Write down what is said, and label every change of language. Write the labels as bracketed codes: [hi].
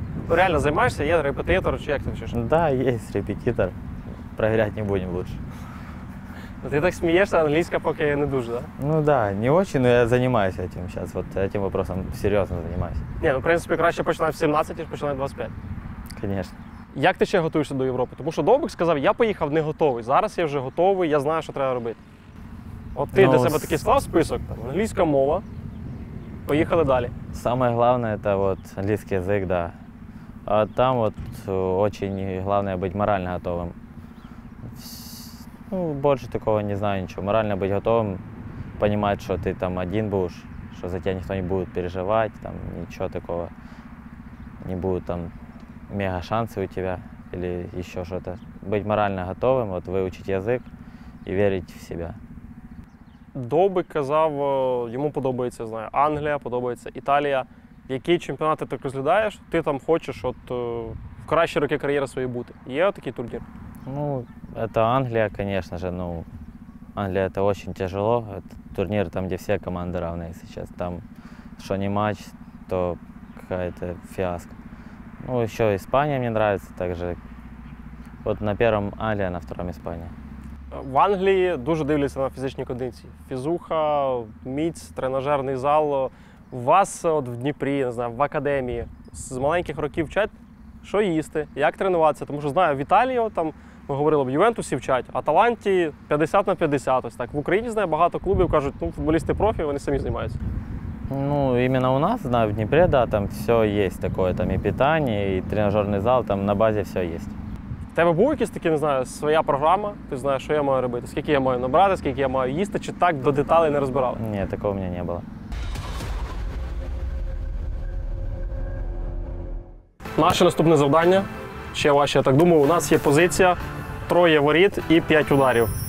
[ru] Реально занимаешься? Есть репетитор, [uk] чи як ты учишь? [ru] Да, есть репетитор. Проверять не будем лучше. Но ты так смеешься, английский пока я не дуже, да? Ну да, не очень, но я занимаюсь этим сейчас. Вот этим вопросом серьезно занимаюсь. [uk] Не, ну в принципе, краще починати в 17, ніж починати в 25. [ru] Конечно. [uk] Як ти ще готуєшся до Європи? Тому що Довбик сказав, я поїхав не готовий. Зараз я вже готовий, я знаю, що треба робити. От ти для себе такий склав список, там, англійська мова. Поїхали далі. Саме головне це от англійський язик, да. А там от очень головне бути морально готовим. Ну, більше такого не знаю нічого. Морально бути готовим, розуміти, що ти там один будеш, що за тебе ніхто не буде переживати, там нічого такого не буде там. [ru] Мега шансы у тебя или еще что-то. Быть морально готовым, вот выучить язык и верить в себя. [uk] Довбик казав, ему подобається, знаю, Англія, подобається Італія. Які чемпіонати ти розглядаєш? Ти там хочеш от в кращі роки кар'єри своєї бути. Є такий турнір? [ru] Ну, это Англія, конечно же, ну Англія это очень тяжело. Это турнір там, где все команды равны, если честно. Там що не матч, то какая-то фиаско. Ну, еще Испания мне нравится также. Вот на первом Англия, на втором Испания. [uk] В Англии дуже дивляться на фізичні кондиції. Фізуха, міць, тренажерний зал. У вас от в Дніпрі, не знаю, в академії з маленьких років вчать, що їсти, як тренуватися. Тому що знаю, в Італії там ми говорили в Ювентусі вчать, а Аталанті 50 на 50. Ось так. В Україні знаю багато клубів, кажуть, ну, футболісти профі, вони самі займаються. [ru] Ну, именно у нас, знаю, в Днепре, да, там все есть такое, там и питание, и тренажерный зал, там на базе все есть. [uk] В тебе був якісь такі, не знаю, своя програма, ти знаєш, що я маю робити, скільки я маю набрати, скільки я маю їсти, чи так до деталей не розбирав? Ні, такого у мене не було. Наше наступне завдання, ще ваше, я так думаю, у нас є позиція, троє воріт і п'ять ударів.